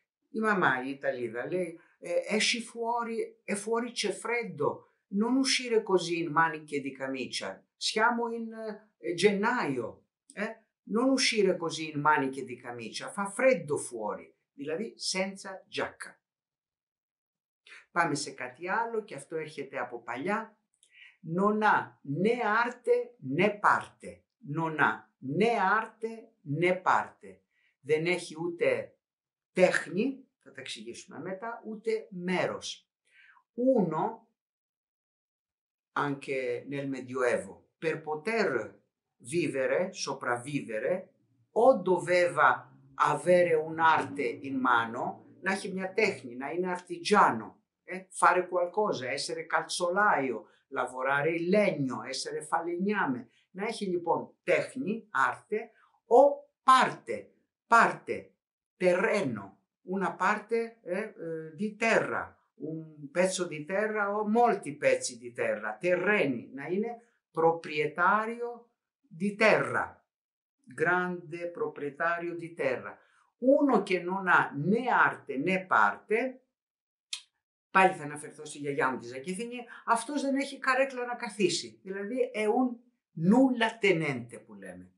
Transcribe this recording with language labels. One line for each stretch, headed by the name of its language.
Greek: Η μαμά, η Ιταλίδα, λέει,
Italian: esci fuori, e fuori c'è freddo, non uscire così in maniche di camicia. Siamo in gennaio, non uscire così in maniche di camicia, fa freddo fuori, δηλαδή senza giacca.
Greek: Πάμε σε κάτι άλλο και αυτό έρχεται από παλιά.
Italian: Non ha né arte né parte. Non ha né arte né parte.
Greek: Δεν έχει ούτε τέχνη, θα τα εξηγήσουμε μετά, ούτε μέρος.
Italian: Uno, anche nel Medioevo, per poter vivere, sopravvivere, o doveva avere un'arte in mano,
Greek: να έχει μια τέχνη,
Italian: να είναι artigiano, fare qualcosa, essere calzolaio, lavorare il legno, essere falegname.
Greek: Να έχει λοιπόν τέχνη,
Italian: arte, o parte, parte, terreno, una parte di terra, un pezzo di terra o molti pezzi di terra, terreni, να είναι proprietario di terra, grande proprietario di terra. Uno che non ha né arte né parte,
Greek: πάλι θα αναφερθώ στη γιαγιά μου τη Ζακηθινή, αυτός δεν έχει καρέκλα να καθίσει. Δηλαδή,
Italian: è un nulla tenente
Greek: που λέμε.